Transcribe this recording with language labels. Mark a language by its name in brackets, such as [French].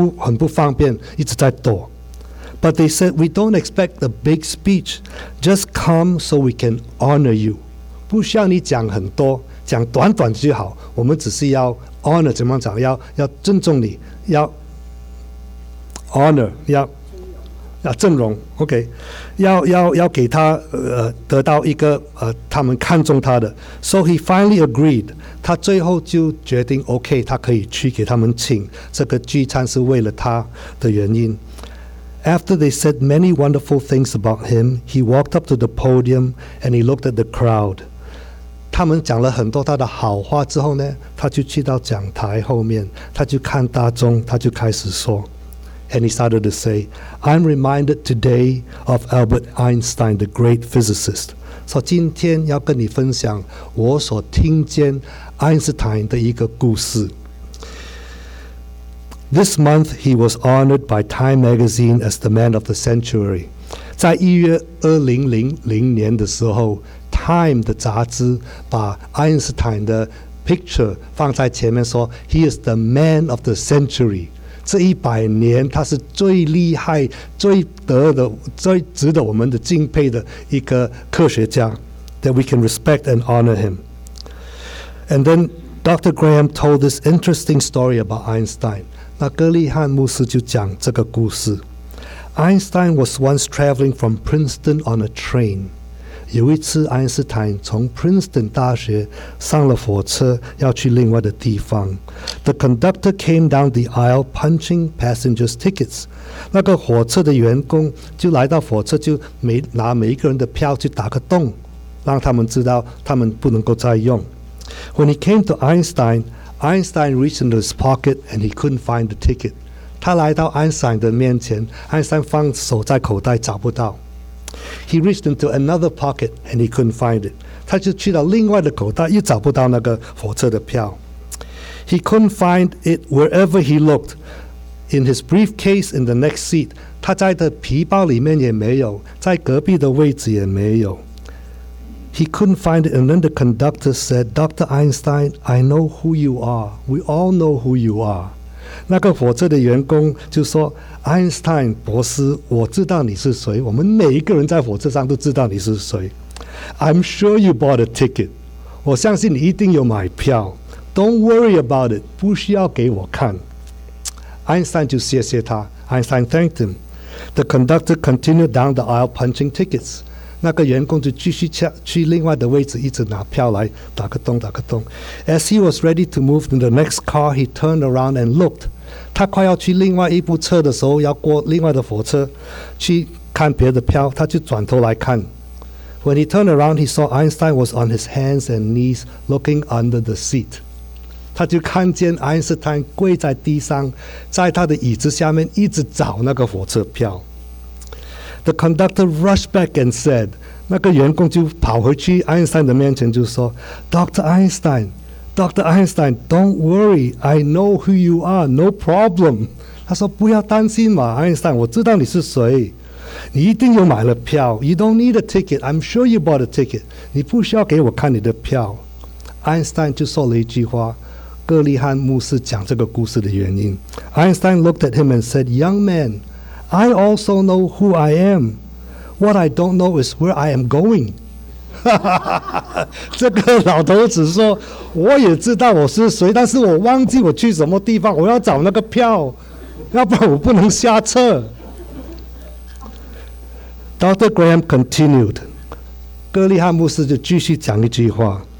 [Chinese] 开始的时候，他不愿意去演讲，因为他有帕金森，很不方便，一直在躲。 [English] But they said, we don't expect a big speech. Just come so we can honor you. [Chinese] 不需要你讲很多，讲短短就好。我们只是要 honor 怎么讲，要尊重你，要 honor 要。要正容，OK，要给他得到一个他们看重他的。 [English] So he finally agreed. [Chinese] 他最后就决定 OK， 他可以去给他们请这个聚餐，是为了他的原因。 [English] After they said many wonderful things about him, he walked up to the podium and he looked at the crowd. [Chinese] 他们讲了很多他的好话之后呢，他就去到讲台后面，他就看大众，他就开始说。 [English] And he started to say, I'm reminded today of Albert Einstein, the great physicist. [Chinese] 说今天要跟你分享我所听见爱因斯坦的一个故事。 [English] This month, he was honored by Time magazine as the man of the century. [Chinese] 在1月2000年的时候 ，Time 的杂志把爱因斯坦的 picture 放在前面说 ， [English] He is the man of the century. [Chinese] 这一百年，他是最厉害、最得的、最值得我们的敬佩的一个科学家 [English] ，that we can respect and honor him. And then Dr. Graham told this interesting story about Einstein. [Chinese] 那格里汉牧师就讲这个故事。 [English] Einstein was once traveling from Princeton on a train. [Chinese] 有一次，爱因斯坦从 Princeton 大学上了火车，要去另外的地方。 [English] The conductor came down the aisle punching passengers' tickets. [Chinese] 那个火车的员工就来到火车，就拿每一个人的票去打个洞，让他们知道他们不能够再用。 [English] When he came to Einstein,Einstein reached into his pocket and he couldn't find the ticket. [Chinese] 他来到爱因斯坦的面前，爱因斯坦放手在口袋找不到。 [English] He reached into another pocket and he couldn't find it. [Chinese] 他就去到另外的口袋，又找不到那个火车的票。 [English] He couldn't find it wherever he looked. In his briefcase in the next seat, [Chinese] 他在的皮包里面也没有，在隔壁的位置也没有。 [English] He couldn't find it, and then the conductor said, Dr. Einstein, I know who you are. We all know who you are. [Chinese] 那个火车的员工就说 Einstein 博士，我知道你是谁，我们每一个人在火车上都知道你是谁。 [English] I'm sure you bought a ticket. [Chinese] 我相信你一定有买票。 [English] Don't worry about it. [Chinese] 不需要给我看。 Einstein 就谢谢他。 [English] Einstein thanked him. The conductor continued down the aisle punching tickets. [Chinese] 那个员工就继续去另外的位置，一直拿票来打个洞，打个洞。 [English] As he was ready to move to the next car, he turned around and looked. [Chinese] 他快要去另外一部车的时候，要过另外的火车去看别的票，他就转头来看。 [English] When he turned around, he saw Einstein was on his hands and knees looking under the seat. [Chinese] 他就看见爱因斯坦跪在地上，在他的椅子下面一直找那个火车票。 [English] The conductor rushed back and said, [Chinese] 那个员工就跑回去爱因斯坦的面前就说 [English] Dr. Einstein, don't worry, I know who you are, no problem. [Chinese] 他说不要担心嘛，爱因斯坦，我知道你是谁，你一定有买了票。 [English] You don't need a ticket, I'm sure you bought a ticket. [Chinese] 你不需要给我看你的票。爱因斯坦就说了一句话，格里汉牧师讲这个故事的原因。 [English] 爱因斯坦 looked at him and said, young man,I also know who I am. What I don't know is where I am going. [Chinese] 这个老头子说，我也知道我是谁，但是我忘记我去什么地方，我要找那个票，要不然我不能下车。 [English] Dr. Graham continued. [Chinese] 格里汉牧师就继续讲一句话。